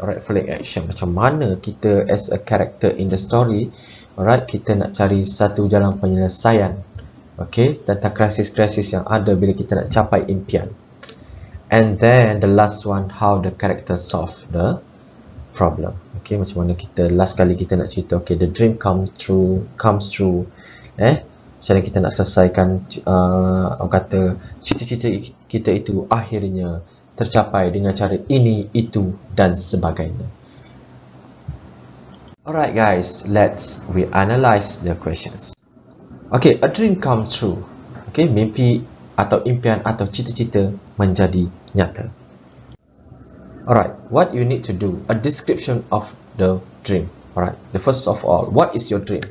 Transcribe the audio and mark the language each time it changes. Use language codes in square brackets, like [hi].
[ms] Alright, falling action, macam mana kita [en] as a character in the story, [ms] alright, kita nak cari satu jalan penyelesaian. Okay, tentang krisis-krisis yang ada bila kita nak capai impian. [en] And then the last one, how the character solve the problem. [ms] Okay, macam mana kita last kali kita nak cerita, okay, [en] the dream comes true. [ms] Eh, macam mana kita nak selesaikan kata cita-cita kita itu akhirnya tercapai dengan cara ini, itu dan sebagainya. [en] Alright guys, we analyze the questions. [ms] Okay, [en] a dream comes true. [ms] Okay, mimpi atau impian atau cita-cita menjadi nyata. [en] Alright, what you need to do? A description of the dream. Alright, the first of all, what is your dream?